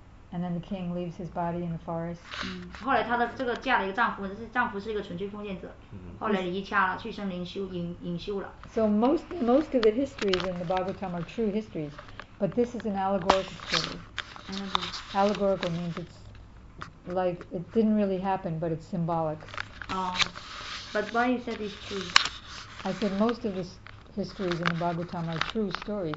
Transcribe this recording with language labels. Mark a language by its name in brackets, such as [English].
[English] And then the king leaves his body in the forest. [Chinese] 后来他的这个嫁了一个丈夫，这丈夫是一个纯粹奉献者。后来离家了，去森林修隐修了。So [English] most of the histories in the Bhagavatam are true histories, but this is an allegorical story. Allegorical means it's like it didn't really happen, but it's symbolic. But why you said it's true? I said most of the histories in the Bhagavatam are true stories.